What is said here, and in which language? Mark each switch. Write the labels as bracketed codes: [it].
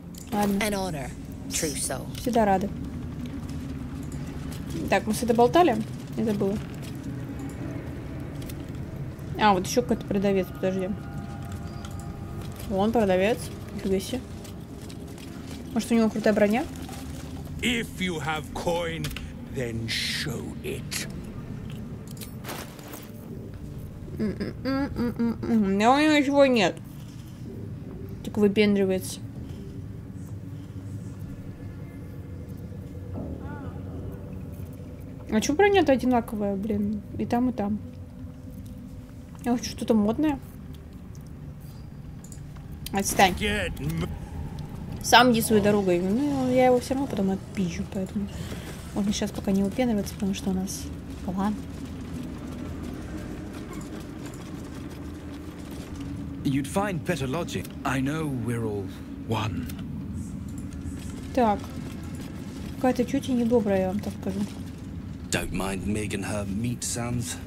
[ru] Ладно. Всегда рады. Так, мы с этой болтали? Я забыла. А, вот еще какой-то продавец, подожди. Вон продавец. Нифига себе. Может, у него крутая броня? [en] If you have coin, then show it. [ru] Но у него ничего нет. Так выпендривается. А чё броня-то одинаковая, блин? И там, и там. Я хочу что-то модное. Отстань. Сам иди своей дорогой. Ну, я его все равно потом отпизжу, поэтому... Можно сейчас пока не выпендриваться, потому что у нас план. [en] You'd find better logic. I know we're all one. [ru] Так. Какая-то чуть не добрая, я вам так скажу. [en] Don't mind Meg and her meat sounds.